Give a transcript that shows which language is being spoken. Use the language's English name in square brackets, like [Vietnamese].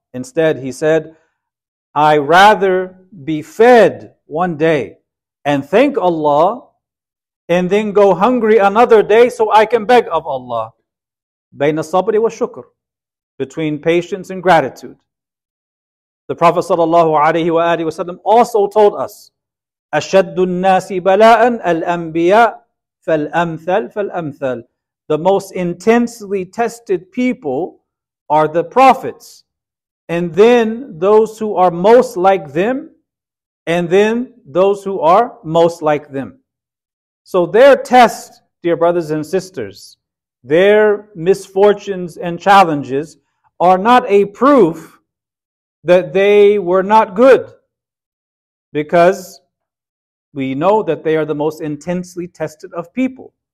[English] Instead, he said, I rather be fed one day and thank Allah, and then go hungry another day so I can beg of Allah. [Arabic] بين الصبر والشكر, [English] between patience and gratitude. The Prophet صلى الله عليه وآله وسلم also told us, [Arabic] أشد الناس بلاء الأنبياء فالأمثل فالأمثل. [English] The most intensely tested people are the prophets, and then those who are most like them, and then those who are most like them. So their test, dear brothers and sisters, their misfortunes and challenges are not a proof that they were not good, because we know that they are the most intensely tested of people.